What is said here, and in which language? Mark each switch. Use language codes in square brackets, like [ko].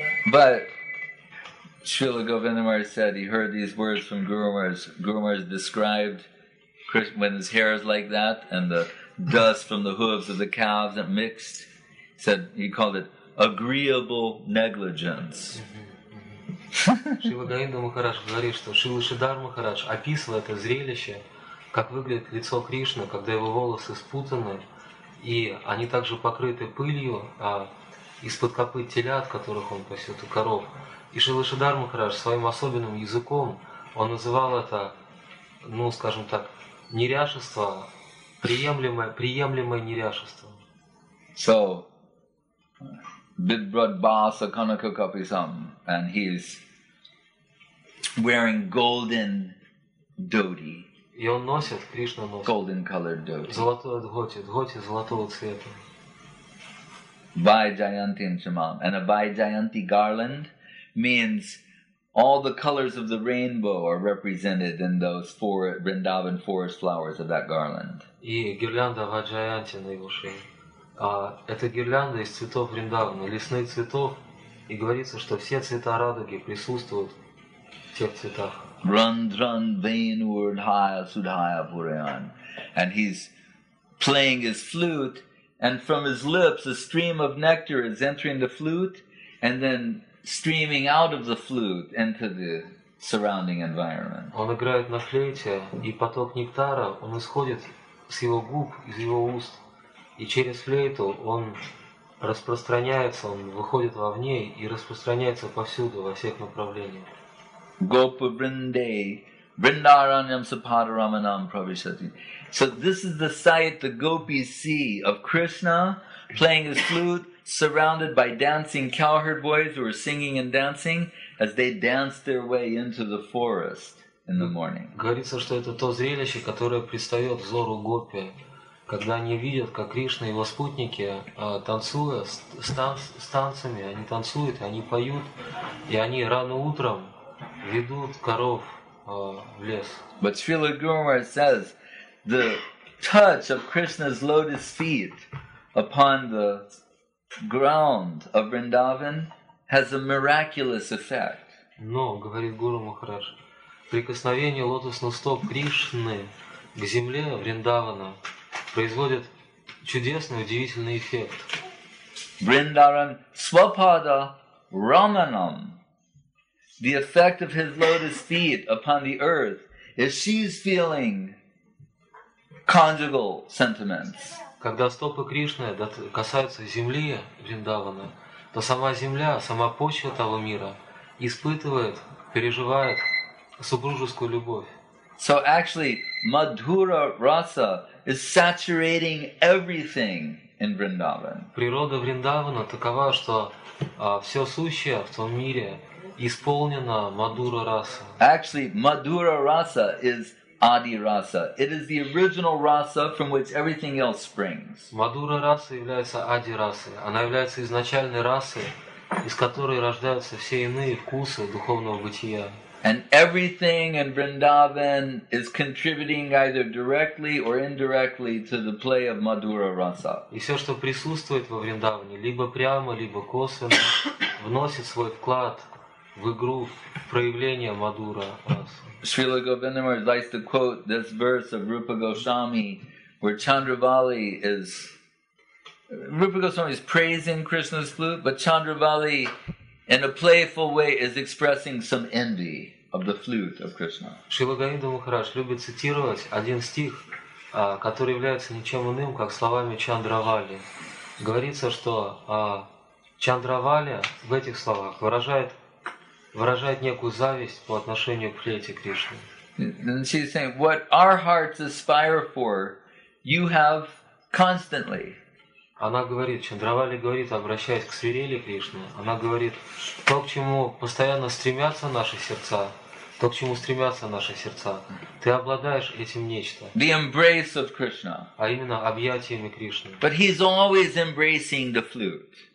[en] But Srila Govinda Maharaj said he heard these words from Guru Maharaj. Guru Maharaj described Krishna when his hair is like that and the dust from the hooves of the calves that mixed. Said he called it agreeable negligence. [ru] Шрила Говинда Махарадж говорит, что Шрила Шридхар Махарадж описывает это зрелище, как выглядит лицо Кришны, когда его волосы спутаны, и они также покрыты пылью, а из-под копыт телят, которых он пасет, и коров. И Шрила Шридхар Махарадж своим особенным языком, он называл это, ну, скажем так, неряшество, приемлемое неряшество. [en] So, [sa] Bidbrad Basa Kanaka Kapisam, [en] and he's wearing golden dhoti. [ru] И он носит, Кришна носит. [en] Golden colored dhoti. [ru] Золотое дхоти, дхоти золотого цвета. [sa] Vaijayanti and Shamam. [en] And a Vaijayanti garland means all the colors of the rainbow are represented in those four Vrindavan forest flowers of that garland. [ru] И гирлянда Vaijayanti на его шее. Это гирлянда из цветов Вриндавана, лесных цветов, и говорится, что все цвета радуги присутствуют в тех цветах. [sa] Рандран Венурдхая Судхая Пуриан. [en] And he's playing his flute, and from his lips a stream of nectar is entering the flute and then streaming out of the flute into the surrounding environment. [ru] Он играет на флейте, и поток нектара, он исходит с его губ, из его уст. И через флейту он распространяется, он выходит вовне и распространяется повсюду, во всех направлениях. [sa] Gopa Brinde, Vrindaranyam Sapadaramanam Pravishati. [en] So this is the sight the gopis see of Krishna playing his flute, surrounded by dancing cowherd boys who are singing and dancing as they dance their way into the forest in the morning. [ru] Говорится, что это то зрелище, которое предстает взору гопи, когда они видят, как Кришна и его спутники танцуя с танцами, они танцуют, они поют, и они рано утром ведут коров в лес. [en] But Srila Gurumar says the touch of Krishna's lotus feet upon the ground of Vrindavan has a miraculous effect. [ru] Но, говорит Гуру Махарадж, прикосновение лотосных стоп Кришны к земле Вриндавана производит чудесный, удивительный эффект. [sa] Vrindaran Swapada Ramanam. [en] The effect of his lotus feet upon the earth is she's feeling conjugal sentiments. [ru] Когда стопы Кришны касаются земли Вриндавана, то сама земля, сама почва того мира испытывает, переживает супружескую любовь. [en] So actually, Madhura Rasa is saturating everything in Vrindavan. [ru] Природа Вриндавана такова, что все сущее в том мире исполнено Мадура Раса. [en] Actually, Madhura Rasa is Adi Rasa. It is the original rasa from which everything else springs. [ru] Мадура Раса является Ади Расой. Она является изначальной расой, из которой рождаются все иные вкусы духовного бытия. [en] And everything in Vrindavan is contributing either directly or indirectly to the play of Madhura Rasa. [ru] И все, что присутствует во Вриндаване, либо прямо, либо косвенно, вносит свой вклад в игру, в проявление Мадхура Раса. [en] Srila Govindamar likes to quote this verse of Rupa Goswami, where Rupa Goswami is praising Krishna's flute, but Chandravali, in a playful way, is expressing some envy of the flute of Krishna. [ru] Шрила Говинда Махарадж любит цитировать один стих, который является ничем иным, как словами Чандравали. Говорится, что Чандравали в этих словах выражает некую зависть по отношению к флейте Кришны. [en] And she's saying, what our hearts aspire for, you have constantly. [ru] Она говорит, Чандравали говорит, обращаясь к свирели Кришны, она говорит, то, к чему постоянно стремятся наши сердца, то, к чему стремятся наши сердца, ты обладаешь этим нечто. [en] The embrace of Krishna. [ru] А именно объятиями Кришны. [en] But he's always embracing the flute.